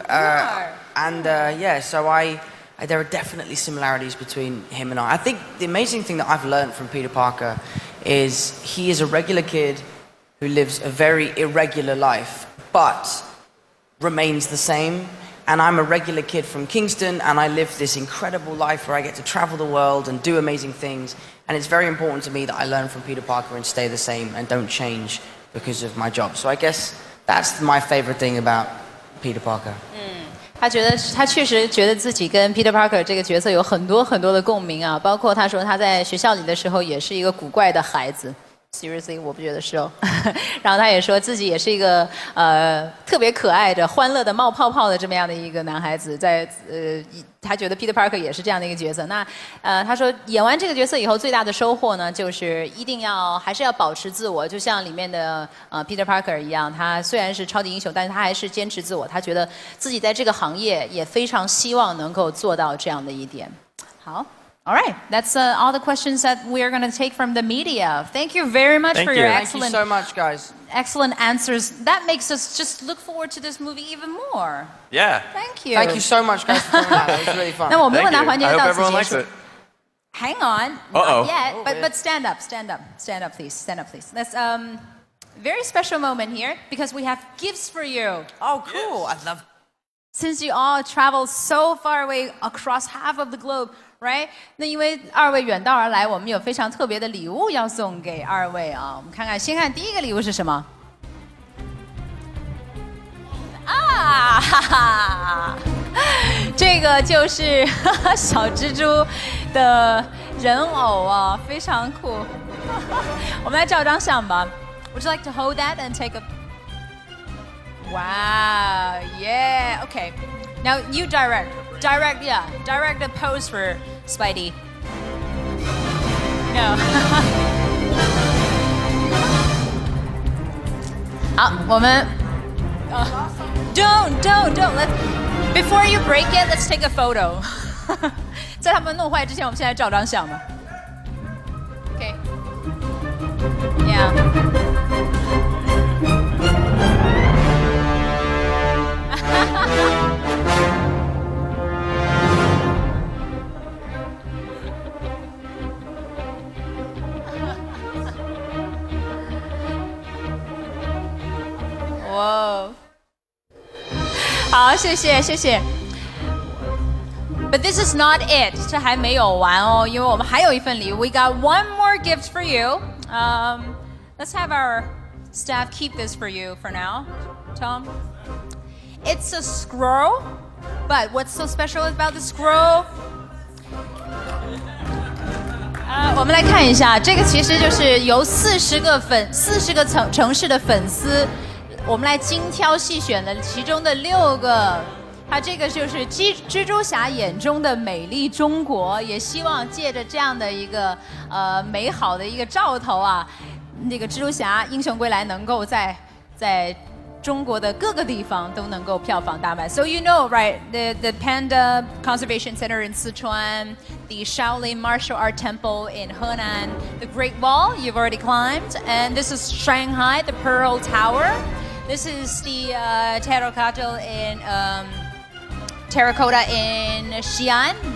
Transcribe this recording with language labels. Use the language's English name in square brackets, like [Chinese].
[English] So there are definitely similarities between him and I think the amazing thing that I've learned from Peter Parker is he is a regular kid who lives a very irregular life, but remains the same. And I'm a regular kid from Kingston, and I live this incredible life where I get to travel the world and do amazing things. And it's very important to me that I learn from Peter Parker and stay the same and don't change because of my job. So I guess that's my favorite thing about Peter Parker. [Chinese] 他觉得他确实觉得自己跟 Peter Parker 这个角色有很多很多的共鸣啊，包括他说他在学校里的时候也是一个古怪的孩子。 [English] Seriously, [Chinese] 我不觉得是哦。然后他也说自己也是一个特别可爱的、欢乐的、冒泡泡的这么样的一个男孩子，在他觉得 Peter Parker 也是这样的一个角色。那他说演完这个角色以后最大的收获呢，就是一定要还是要保持自我，就像里面的Peter Parker 一样，他虽然是超级英雄，但是他还是坚持自我。他觉得自己在这个行业也非常希望能够做到这样的一点。好。 [English] All right, that's all the questions that we are going to take from the media. Thank you very much for your excellent... Thank you so much, guys. Excellent answers. That makes us just look forward to this movie even more. Yeah. Thank you. Thank you so much, guys, for coming out. It was really fun. [Chinese] 那我们问答环节到此结束。 [English] I hope everyone likes it. Hang on. Uh-oh. Not yet, but stand up. Stand up, please. Stand up, please. That's a very special moment here because we have gifts for you. Oh, cool. Yes. I love... Since you all travel so far away across half of the globe... right? [Chinese] 那因为二位远道而来，我们有非常特别的礼物要送给二位啊。我们看看，先看第一个礼物是什么。啊，哈哈，这个就是小蜘蛛的人偶啊，非常酷。我们来照张相吧。 [English] Would you like to hold that and take a? Wow, yeah, okay. Now you direct, direct, yeah, direct the pose for Spidey. No. [Chinese] 好，我们。 [English] Don't. Let's, before you break it, let's take a photo. [Chinese] 在他们弄坏之前，我们先来照张相吧。 [English] Okay. Yeah. Whoa. [Chinese] 好，谢谢，谢谢。 [English] But this is not it. [Chinese] 这还没有完哦，因为我们还有一份礼物。 [English] We got one more gift for you. Let's have our staff keep this for you for now. Tom? It's a scroll. But what's so special about the scroll? [Chinese] 我们来看一下，这个其实就是由40个城市的粉丝，我们来精挑细选的其中的六个，它这个就是蜘蛛侠眼中的美丽中国，也希望借着这样的一个美好的一个兆头啊，那个蜘蛛侠英雄归来能够在中国的各个地方都能够票房大卖。 [English] So you know, right? The Panda Conservation Center in Sichuan, the Shaolin Martial Art Temple in Henan, the Great Wall you've already climbed, and this is Shanghai, the Pearl Tower. This is the terracotta in Xi'an.